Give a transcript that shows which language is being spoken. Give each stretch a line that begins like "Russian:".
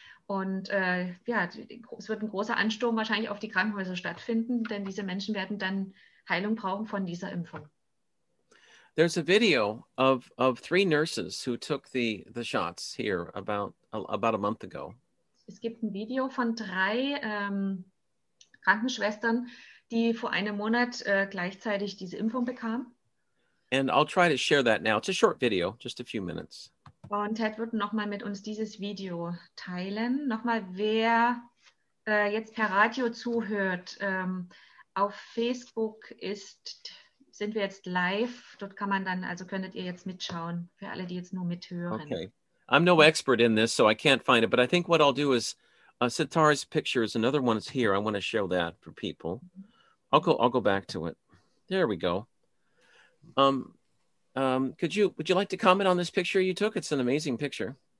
German: Und es wird ein großer Ansturm wahrscheinlich auf die Krankenhäuser stattfinden, denn diese Menschen werden dann Heilung brauchen von dieser Impfung.
English: There's a video of 3 nurses who took the shots here about a month ago.
German: Es gibt ein Video von 3 Krankenschwestern, die vor einem Monat gleichzeitig diese Impfung bekamen.
English: And I'll try to share that now. It's a short video, just a few minutes.
German: Und Ted wird nochmal mit uns dieses Video teilen. Nochmal, wer jetzt per Radio zuhört, auf Facebook sind wir jetzt live. Dort kann man dann, also könntet ihr jetzt mitschauen, für alle, die jetzt nur mithören.
English: Okay. I'm no expert in this, so I can't find it. But I think what I'll do is, Sitara's picture is another one that's here. I want to show that for people. I'll go back to it. There we go. Would you like to comment on this picture you took? It's an amazing picture.